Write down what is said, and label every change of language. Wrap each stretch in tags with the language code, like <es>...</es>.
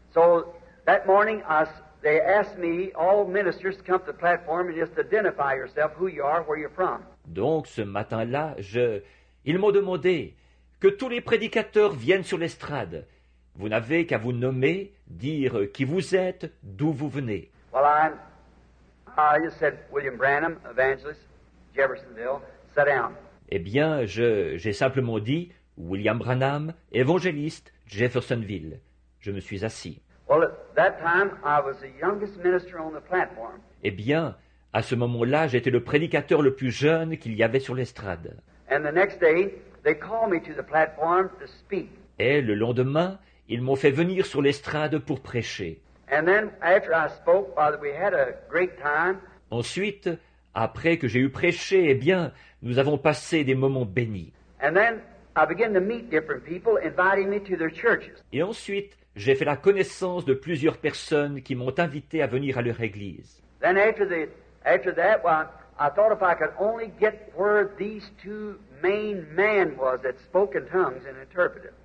<en>So that morning, they asked me, all ministers, to come to the platform and just identify yourself, who you are, where you're from.</en> <fr>Donc ce matin-là, ils m'ont demandé que tous les prédicateurs viennent sur l'estrade. Vous n'avez qu'à vous nommer, dire qui vous êtes, d'où vous venez.</fr> <en>Well, I just said William Branham, evangelist, Jeffersonville. Sit down.</en> <fr>Eh bien, j'ai simplement dit William Branham, évangéliste, Jeffersonville. Je me suis assis.</fr> <en>Well, at that time, I was the youngest minister on the platform.</en> <fr>Eh bien, à ce moment-là, j'étais le prédicateur le plus jeune qu'il y avait sur l'estrade.</fr> <en>And the next day, they called me to the platform to speak.</en> <fr>Et le lendemain, ils m'ont fait venir sur l'estrade pour prêcher.</fr> <en>And then, after I spoke, Father, we had a great time.</en> <fr>Ensuite, après que j'ai eu prêché, eh bien, nous avons passé des moments bénis.</fr> <en>And then, I began to meet different people, inviting me to their churches.</en> <fr>Et ensuite, j'ai fait la connaissance de plusieurs personnes qui m'ont invité à venir à leur église.</fr> <en>Then after that, well, I thought if I could only get where these two main men was that spoke in tongues and interpreted.</en>